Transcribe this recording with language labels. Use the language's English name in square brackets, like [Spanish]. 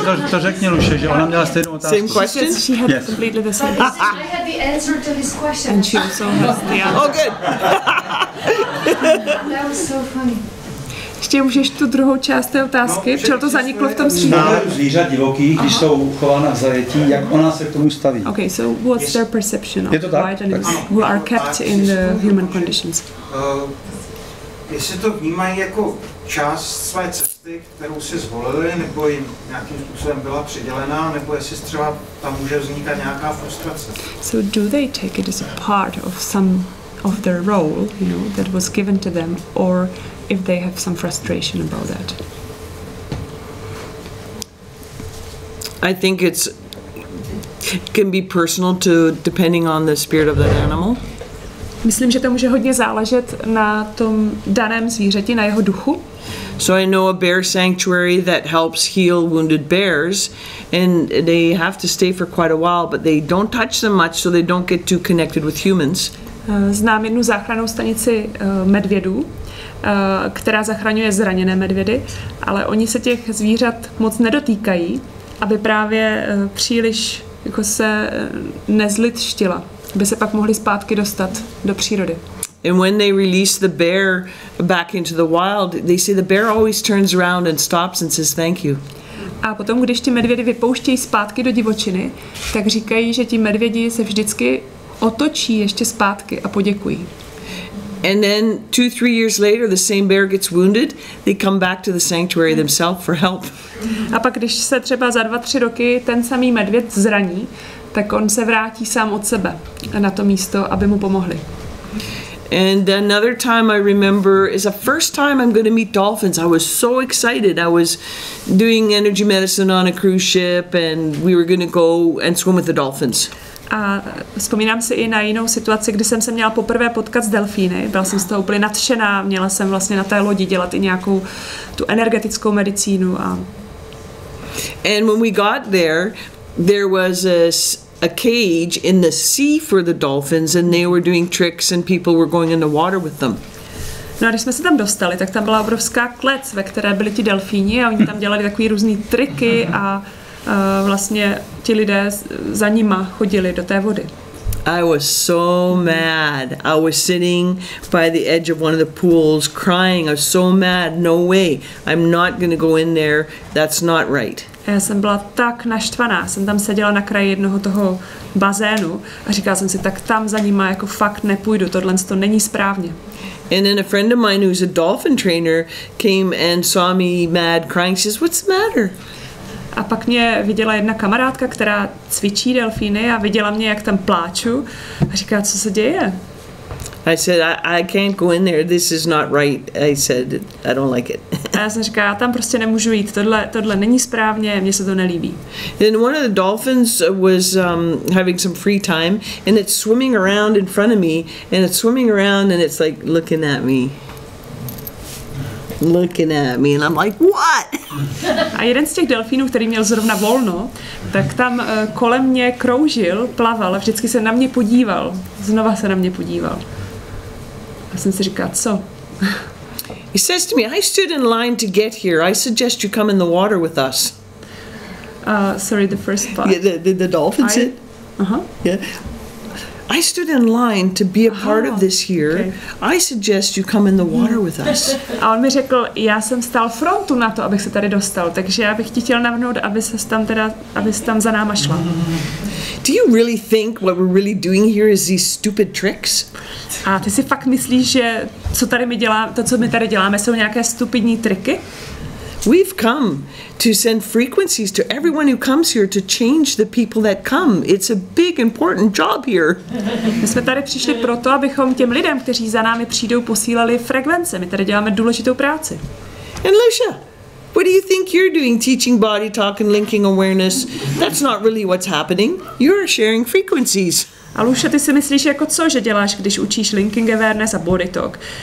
[Czech] To řekni, Luše, že ona měla stejnou otázku. [English] Same question? She had yes. Completely the same. I had the answer to his question. And she also has the answer. Oh, good. That was so funny. [Czech] Ještě můžeš tu druhou část té otázky? No, protože to zaniklo v tom stříhu. Známe zvířat divokých, když jsou chována v zajetí, jak ona se k tomu staví. [English] Okay, so what's yes. their perception of [Czech] Je to tak? Tak. [English] Who are kept in the human conditions? [Czech] Jestli to vnímají jako část své cesty, kterou si zvolili, nebo jim nějakým způsobem byla přidělená, nebo jestli třeba tam může vznikat nějaká frustrace. [English] So do they take it as a part of some of their role, you know, that was given to them, or if they have some frustration about that? I think it's can be personal to depending on the spirit of that animal. [Czech] Myslím, že to může hodně záležet na tom daném zvířeti, na jeho duchu. [English] So I know a bear sanctuary that helps heal wounded bears, and they have to stay for quite a while, but they don't touch them much, so they don't get too connected with humans. [Czech] Znám jednu záchrannou stanici medvědů, která zachraňuje zraněné medvědy, ale oni se těch zvířat moc nedotýkají, aby právě příliš jako se nezlitštila, aby se pak mohli zpátky dostat do přírody. [English] And when they release the bear back into the wild, they say the bear always turns around and stops and says thank you. [Czech] A potom, když ti medvědi vypouštějí zpátky do divočiny, tak říkají, že ti medvědi se vždycky otočí ještě zpátky a poděkují. [English] And then 2-3 years later the same bear gets wounded, they come back to the sanctuary themselves for help. [Czech] A pak když se třeba za 2-3 roky ten samý medvěd zraní, tak on se vrátí sám od sebe na to místo, aby mu pomohli. [English] And another time I remember is the first time I'm going to meet dolphins. I was so excited. I was doing energy medicine on a cruise ship and we were going to go and swim with the dolphins. [Czech] A vzpomínám si i na jinou situaci, kdy jsem se měla poprvé potkat s delfíny. Byla jsem z toho úplně nadšená, měla jsem vlastně na té lodi dělat i nějakou tu energetickou medicínu. [English] And when we got there, there was a cage in the sea for the dolphins and they were doing tricks and people were going in the water with them. [Czech] No a když jsme se tam dostali, tak tam byla obrovská klec, ve které byli ti delfíni a oni tam dělali takový různý triky a vlastně ti lidé za nima chodili do té vody. [English] I was so mad. I was sitting by the edge of one of the pools crying. I was so mad. No way. I'm not going to go in there. That's not right. [Czech] Já jsem byla tak naštvaná. Jsem tam seděla na kraji jednoho toho bazénu a říkala jsem si, tak tam za nima jako fakt nepůjdu. Tohle to není správně. [English] And then a friend of mine who's a dolphin trainer came and saw me mad crying. She says, "What's the matter?" [Czech] A pak mě viděla jedna kamarádka, která cvičí delfíny a viděla mě, jak tam pláču a říká, co se děje. [English] I said, I can't go in there, this is not right. I said, I don't like it. [Czech] A já jsem říká, já tam prostě nemůžu jít, tohle není správně, mně se to nelíbí. [English] Then one of the dolphins was having some free time and it's swimming around in front of me and it's swimming around and it's like looking at me. Looking at me and I'm like, what? [Czech] A jeden z těch delfínů, který měl zrovna volno, tak tam kolem mě kroužil, plaval a vždycky se na mě podíval. Znova se na mě podíval. A jsem si říkal, co? [English] He says to me, I stood in line to get here. I suggest you come in the water with us. Sorry, the first part. Yeah, the dolphin said. I stood in line to be a part of this here. Okay. I suggest you come in the water with us. [Czech] A on mi řekl, já jsem stál frontu na to, abych se tady dostal, takže já bych ti chtěl navnout, aby ses tam za náma šla. [English] Do you really think what we're really doing here is these stupid tricks? [Czech] A ty si fakt myslíš, že co my tady děláme, jsou nějaké stupidní triky? [English] We've come to send frequencies to everyone who comes here to change the people that come. It's a big important job here. [Czech] My jsme tady přišli proto, abychom těm lidem, kteří za námi přijdou, posílali frekvence. My tady děláme důležitou práci. [English] And Lucia, what do you think you're doing teaching body talk and linking awareness? That's not really what's happening. You're sharing frequencies. [Czech] A Lucia, ty si myslíš, jako co, že děláš, když učíš linking awareness a body talk?